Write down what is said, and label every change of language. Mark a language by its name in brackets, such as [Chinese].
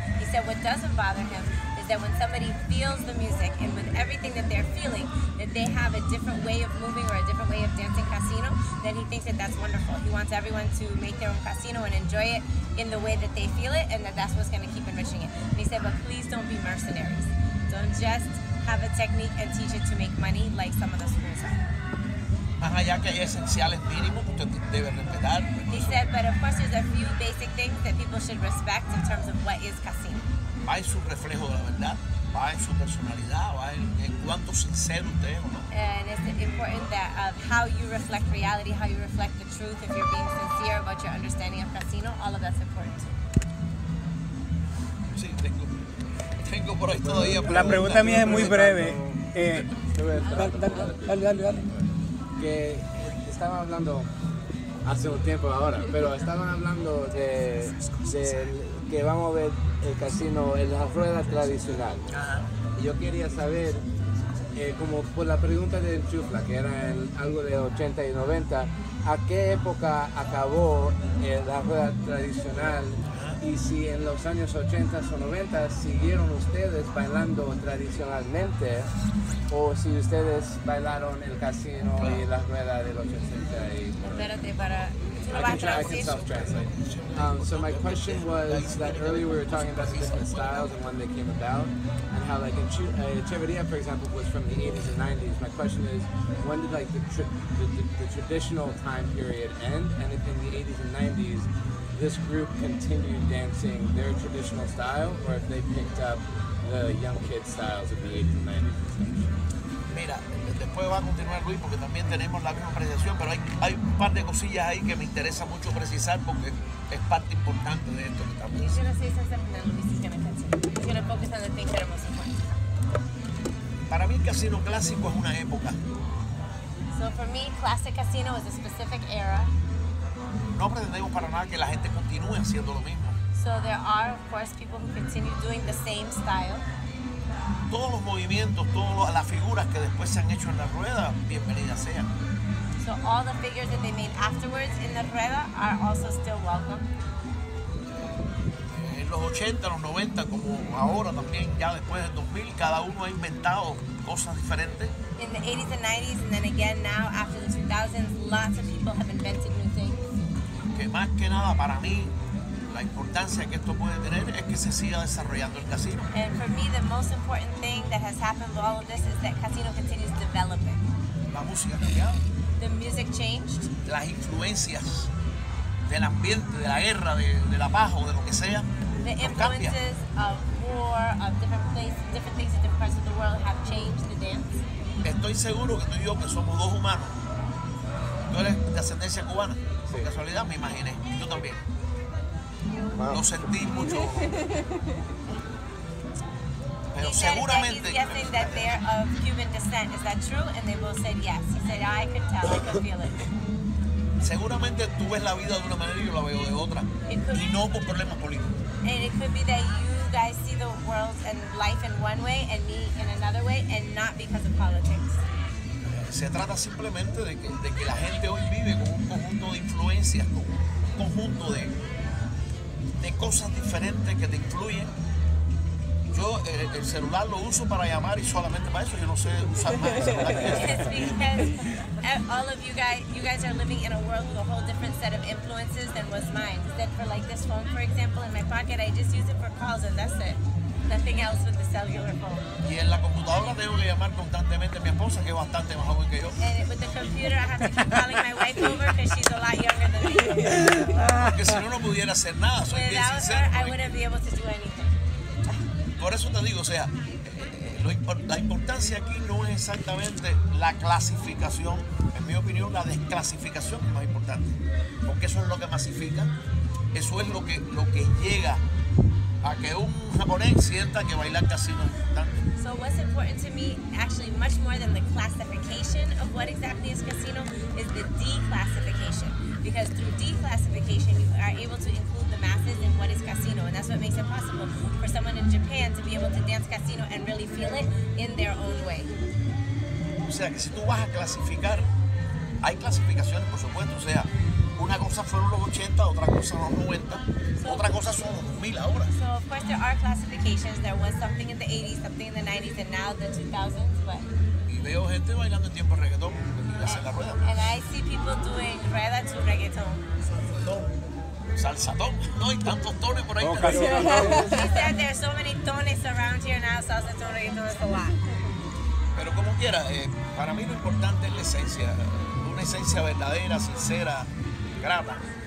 [English] He said what doesn't bother him is that when somebody feels the music and with everything that they're feeling, that they have a different way of moving or a different way of dancing casino, then he thinks that that's wonderful. He wants everyone to make their own casino and enjoy it in the way that they feel it, and that that's what's going to keep enriching it. And he said, but please don't be mercenaries. Don't just have a technique and teach it to make money like some of the schools are. [Spanish] Más allá que hay esenciales mínimos que usted debe respetar. [English] He said, but of course there's a few basic things that people should respect in terms of what is casino. [Spanish] Va en su reflejo de la verdad, va en su personalidad, va en cuánto sincero usted es o no. [English] And it's important that of how you reflect reality, how you reflect the truth, if you're being sincere about your understanding of casino, all of that's important too. [Spanish] Sí, tengo por ahí todavía preguntas. La pregunta mía es muy breve. Dale. Que estaba hablando hace un tiempo ahora, pero estaban hablando de que vamos a ver el casino en la rueda tradicional. Y yo quería saber, como por la pregunta del chufla, que era algo de 80 y 90, ¿a qué época acabó la rueda tradicional? Y si en los años 80 o 90 siguieron ustedes bailando tradicionalmente, o si ustedes bailaron el casino y la rueda del 80 y... Espérate, para... [English] I can self-translate. So my question was that earlier we were talking about the different styles and when they came about, and how like in Echeverria, for example, was from the 80s and 90s. My question is, when did like the traditional time period end, and if in the 80s and 90s, this group continued dancing their traditional style, or if they picked up the young kid styles of the 80s and 90s? [Spanish] Mira, después va a continuar Luis porque también tenemos la misma apreciación, pero hay un par de cosillas ahí que me interesa mucho precisar porque es parte importante de esto que estamos haciendo. [English] You're going to say something that Luis is going to continue. He's going to focus on the things that are most important. [Spanish] Para mí, casino clásico es una época. [English] So for me, classic casino is a specific era. [Spanish] No pretendemos para nada que la gente continúe haciendo lo mismo. [English] So there are, of course, people who continue doing the same style. [Spanish] Todos los movimientos, todas las figuras que después se han hecho en la rueda, bienvenidas sean. [English] So all the figures that they made afterwards in the rueda are also still welcome. [Spanish] En los 80, los 90, como ahora también, ya después del 2000, cada uno ha inventado cosas diferentes. [English] In the 80s and 90s, and then again now, after the 2000s, lots of people have invented new things. [Spanish] Que más que nada, para mí, la importancia que esto puede tener es que se siga desarrollando el casino. [English] And for me, the most important thing that has happened with all of this is that casino continues developing. [Spanish] La música cambió. [English] The music changed. [Spanish] Las influencias del ambiente, de la guerra, de la paz o de lo que sea, [English] the influences of war, of different things in different parts of the world have changed the dance. [Spanish] Estoy seguro que tú y yo, que somos dos humanos, tú eres de ascendencia cubana, sí. Por casualidad, me imaginé, y tú también. Wow. Lo sentí mucho. Pero seguramente... [English] He's guessing that they're of Cuban descent. Is that true? And they both said yes. He said, I can tell, I can feel it. [Spanish] Seguramente tú ves la vida de una manera y yo la veo de otra. Y no por problemas políticos. [English] And it could be that you guys see the world and life in one way and me in another way and not because of politics. [Spanish] Se trata simplemente de que la gente hoy vive con un conjunto de influencias, con un conjunto de cosas diferentes que te influyen. Yo el celular lo uso para llamar y solamente para eso. Yo no sé usar más el celular. [English] It's because all of you guys are living in a world with a whole different set of influences than was mine. Except for like this phone, for example, in my pocket, I just use it for calls and that's it. Nothing else with the cellular phone. [Spanish] Y en la computadora tengo que llamar constantemente a mi esposa, que es bastante más joven que yo. [English] And with the computer, I have to keep calling my wife over because she's a lot younger than me. [Spanish] Porque si no, no pudiera hacer nada. Soy [English] without [Spanish] bien sincero, [English] her, I wouldn't be able to do anything. [Spanish] Por eso te digo, o sea, la importancia aquí no es exactamente la clasificación, en mi opinión la desclasificación es más importante, porque eso es lo que masifica, eso es lo que llega a que un japonés sienta que bailar casino es importante. [English] So what's important to me, actually much more than the classification of what exactly is casino, is the declassification. Because through declassification, you are able to include the masses in what is casino. And that's what makes it possible for someone in Japan to be able to dance casino and really feel it in their own way. [Spanish] O sea, que si tú vas a clasificar, hay clasificaciones, por supuesto. O sea, una cosa fueron los 80, otra cosa los 90, so, otra cosa son los 2000 ahora. [English] So, of course, there are classifications. There was something in the 80s, something in the 90s, and now the 2000s, but... [Spanish] Y veo gente bailando en tiempo de reggaetón y hacer la rueda. [English] And I see people doing rueda to reggaetón. [Spanish] Salsatón. No hay tantos tones por ahí. Oh, casi. [English] He said there's so many tones around here now. Salsatón, reggaetón is a lot. [Spanish] Pero como quiera, para mí lo importante es la esencia. Una esencia verdadera, sincera, grata.